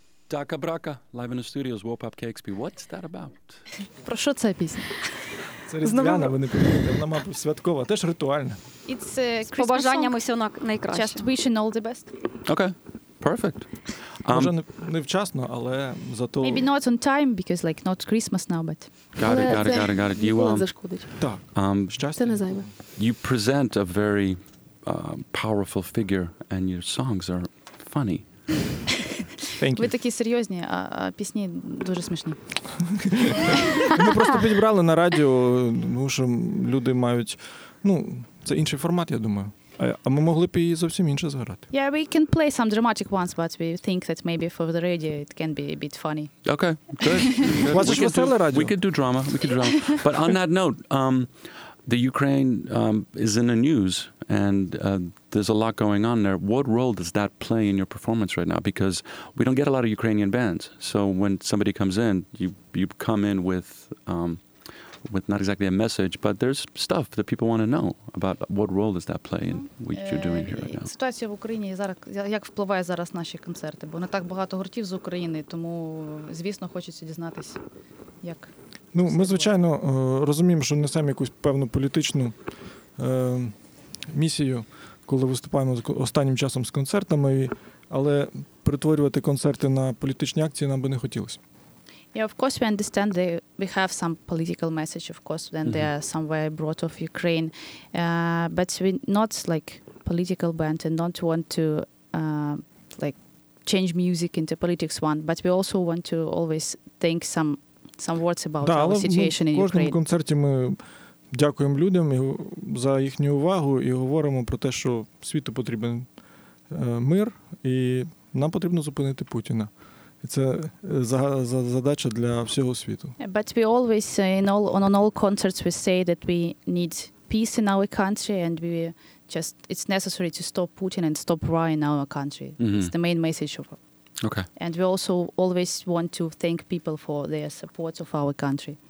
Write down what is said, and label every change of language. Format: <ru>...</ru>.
<en>Дака Брака, live in the studios, Wopop KXP. What's that about?</en> <uk>Про що ця пісня? Це різдвяна, ви не повірите. Вона, мабуть, святкова, теж ритуальна.</uk> <en>It's Christmas song.</en> <uk>З побажаннями все найкраще.</uk> <en>Just wishing all the best. Okay, perfect.</en> <uk>Може, не вчасно, але зато...</uk> <en>Maybe not on time, because like not Christmas now, but... Got it.</en> <uk>Це не зашкодить. Так, щастя. Це не зайве.</uk> <en>You present a very powerful figure, and your songs are funny.</en> <uk>Ви такі серйозні, а пісні дуже смішні. Ми просто підібрали на радіо, тому що люди мають... Ну, це інший формат, я думаю. А ми могли б її зовсім інше зіграти.</uk> <en>Yeah, we can play some dramatic ones, but we think that maybe for the radio it can be a bit funny. Okay, good.</en> <uk>У вас ж веселе радіо.</uk> <en>We could do drama. But on that note, the Ukraine is in the news, and... there's a lot going on there. What role does that play in your performance right now? Because we don't get a lot of Ukrainian bands. So when somebody comes in, you come in with not exactly a message, but there's stuff that people want to know about. What role does that play in what you're doing here right now?</en> <uk>Ситуація в Україні зараз, як впливає зараз наші концерти? Бо не так багато гуртів з України, тому, звісно, хочеться дізнатися, як... Ну, ми, звичайно, розуміємо, що несемо якусь певну політичну місію, коли виступаємо останнім часом з концертами, але перетворювати концерти на політичні акції нам би не хотілося.</uk> <en>Yeah, of course we understand that we have some political message, of course, then mm-hmm. they are somewhere brought of Ukraine. But we not like political band and don't want to like change music into politics one, but we also want to always think some words about our situation in Ukraine.</en> <uk>Кожному концерті ми дякуємо людям за їхню увагу і говоримо про те, що світу потрібен мир, і нам потрібно зупинити Путіна. Це задача для всього світу.</uk> <en>But we always on all concerts we say that we need peace in our country and we just it's necessary to stop Putin and stop war in our country. Mm-hmm. It's the main message of. Okay. And we also always want to thank people for their support of our country.</en>